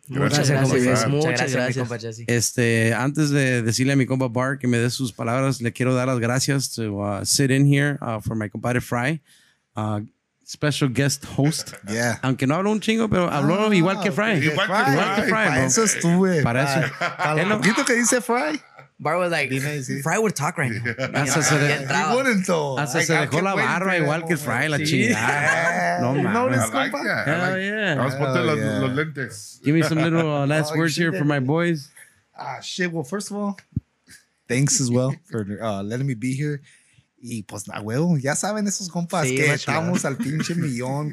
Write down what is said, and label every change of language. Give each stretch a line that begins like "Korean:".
Spanish: Gracias. Muchas gracias, mi compa Jesse. Antes de decirle a mi compa Bart que me dé sus palabras, le quiero dar las gracias
English: to sit in here for my compadre Fry. Special guest host. Yeah.
Spanish: Aunque no habló un chingo, pero habló igual que Fry. Igual que Fry. Para eso estuve. Para eso. ¿Viste que dice Fry?
English: Bart was like, Fry would talk right now.
Spanish: Hasta se dejó la barba igual que Fry, la chingada.
English: Yeah. No, man. No, this compa.
Spanish: Vamos a poner los lentes.
English: Give me some little last words here for my boys. Shit, well, first of all, thanks as well for letting me be here.
Spanish: Y pues, nah, güey, ya saben esos compas, sí, que estamos al pinche millón.